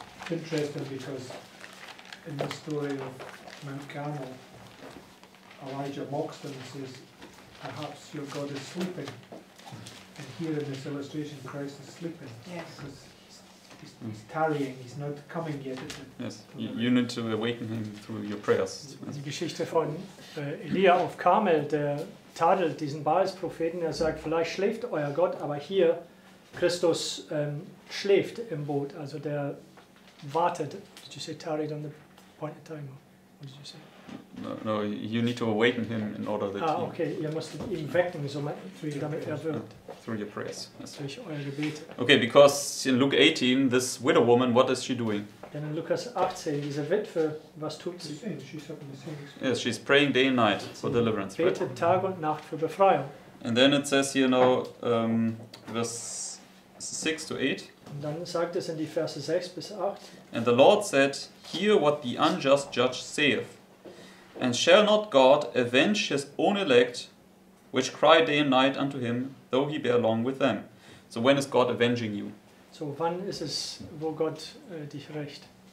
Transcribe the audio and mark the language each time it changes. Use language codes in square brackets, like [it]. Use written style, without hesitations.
[en] Interesting because in the story of Mount Carmel, Elijah mocks them and says, perhaps your God is sleeping. And here in this illustration, Christ is sleeping. Yes. Because he's tarrying, he's not coming yet. Yes, you need to awaken him through your prayers. [de] Die Geschichte von Elia auf Karmel, der tadelt diesen Baalspropheten. Er sagt, vielleicht schläft euer Gott, aber hier, Christus schläft im Boot. Also der wartet. [en] Did you say tarried on the point of time? What did you say? No, you need to awaken him in order that. You must [de] ihn wecken, so damit er wird. [en] Through your prayers. Yes. [de] Durch euer Gebet. [en] Okay, because in Luke 18, this widow woman, what is she doing? Then in [de] Lukas 18, diese Witwe, was tut sie? [en] She's having the same experience. Yes, she's praying day and night for deliverance. [de] Betet [en] right? [de] Tag und Nacht für Befreiung. [en] And then it says, you know, verse 6 to 8. [de] Und dann sagt es in die Verse 6 bis 8. [en] And the Lord said, hear what the unjust judge saith. And shall not God avenge his own elect, which cry day and night unto him, though he bear long with them? So when is God avenging you? [de] So wann ist es, wo Gott dich rächt?